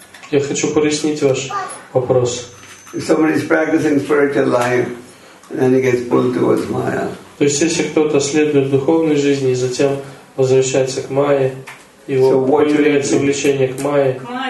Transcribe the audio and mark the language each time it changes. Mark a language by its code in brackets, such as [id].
[ru] Я хочу пояснить ваш вопрос. [en] If somebody is practicing spiritual life, and then he gets pulled towards Maya. [ru] То есть если кто-то следует духовной жизни и затем возвращается к Майе, его появляется влечение к Майе.